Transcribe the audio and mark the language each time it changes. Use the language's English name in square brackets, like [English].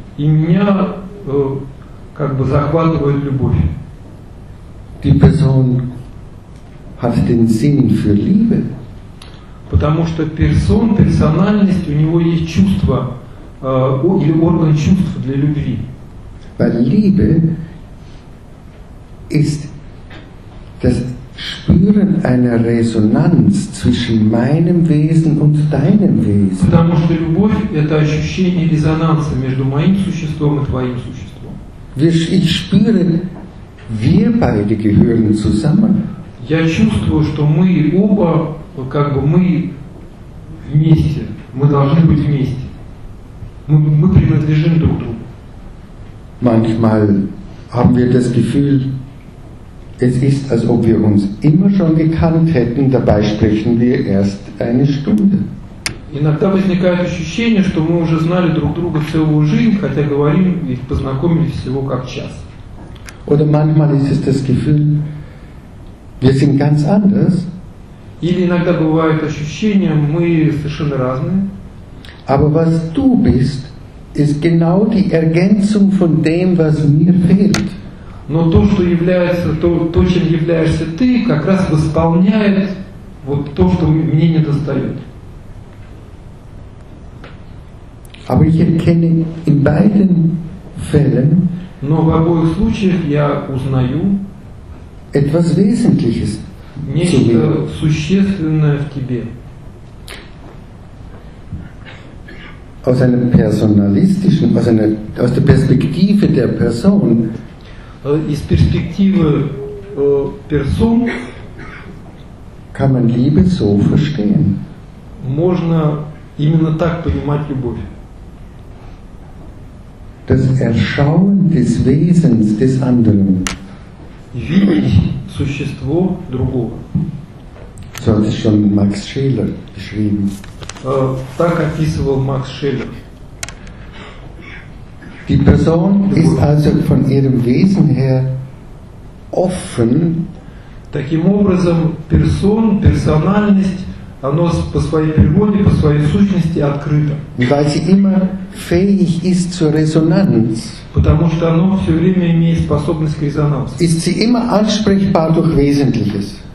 [German] Die Person hat den Sinn für Liebe. [Russian] Потому что Person, Personalität, у него есть чувство. Или орган чувств для любви. [German] Weil Liebe ist das Spüren einer Resonanz zwischen meinem Wesen und deinem Wesen. [Russian] Потому что любовь это ощущение резонанса между моим существом и твоим существом. [German] Ich spüre, wir beide gehören zusammen. [Russian] Я чувствую, что мы оба, как бы мы вместе, мы должны быть вместе. Мы принадлежим друг другу. [German] Manchmal haben wir das Gefühl, es ist, als ob wir uns immer schon gekannt hätten, dabei sprechen wir erst eine Stunde. [Russian] Иногда возникает ощущение, что мы уже знали друг друга целую жизнь, хотя говорим и познакомились всего как час. [German] Oder manchmal ist es das Gefühl, wir sind ganz anders. [Russian] Или иногда бывает ощущение, мы совершенно разные. [German] Aber was du bist, ist genau die Ergänzung von dem, was mir fehlt. [Russian] Но то, что является, то, чем являешься ты, как раз восполняет вот то, что мне не достает. [German] Aber ich erkenne in beiden Fällen, [Russian] но в обоих случаях я узнаю [German] etwas Wesentliches, [Russian] нечто существенное в тебе. [German] Aus einem personalistischen, aus der Perspektive der Person, [Russian] из перспективы Person. [German] Kann man Liebe so verstehen? [Russian] Можно именно так понимать любовь. [German] Das Erschauen des Wesens des anderen. [Russian] Видеть существо другого. [German] So hat es schon Max Scheler geschrieben. [Russian] Так описывал Макс Шеллер. [German] Die Person ist also von ihrem Wesen her offen. [Russian] Таким образом, персональность, оно по своей природе, по своей сущности открыто. [German] Weil sie immer fähig ist zur Resonanz. [Russian] Потому что оно все время имеет способность к резонансу. [German] Ist sie immer ansprechbar durch Wesentliches.